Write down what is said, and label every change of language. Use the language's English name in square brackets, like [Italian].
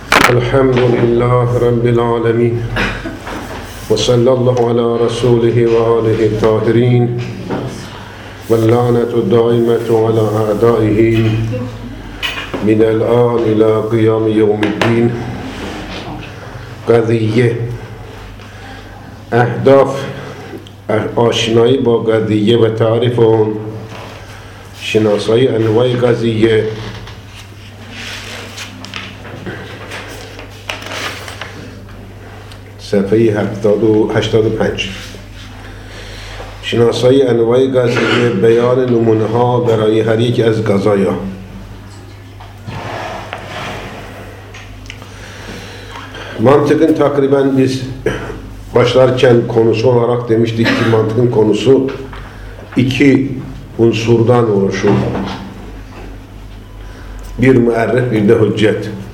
[Arabic] الحمد لله رب العالمين، وصلى الله على رسوله وآله الطاهرين، واللعنة الدائمة على أعدائه من الآن إلى قيام يوم الدين. [Persian] قضية أهداف آشنایی با قضیه و تعریف اون، شناسایی انواع قضیه، صفحه 785. شناسایی انواع قضیه، بیان نمونه ها برای هر یک از قضایا. منطقاً تقریباً بیست [Turkish] başlarken konusu olarak demiştik ki mantığın konusu iki unsurdan oluşur. Bir müerref, bir de hüccet.